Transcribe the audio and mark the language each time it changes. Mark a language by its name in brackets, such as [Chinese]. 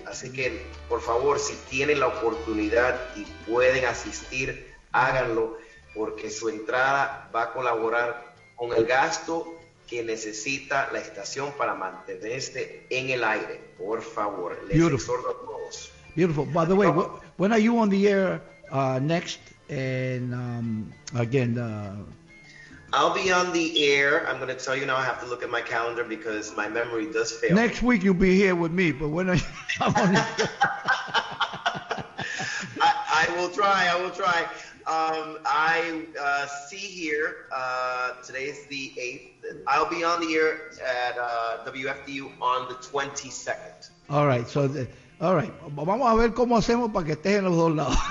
[Spanish] Así que, por favor, si tienen la oportunidad y pueden asistir, háganlo, porque su entrada va a colaborar con el gasto que necesita la estación para mantenerse en el aire. Por favor, les exhorto a todos. [English] Beautiful. By the way, when are you on the air next? And again, I'll be on the air. I'm going to tell you now. I have to look at my calendar because my memory does fail. Next week you'll be here with me, but when are you? I will try. I see here. Today is the 8th. I'll be on the air at WFDU on the 22nd. All right. So. All right, [Spanish] vamos a ver cómo hacemos para que estés en los dos lados.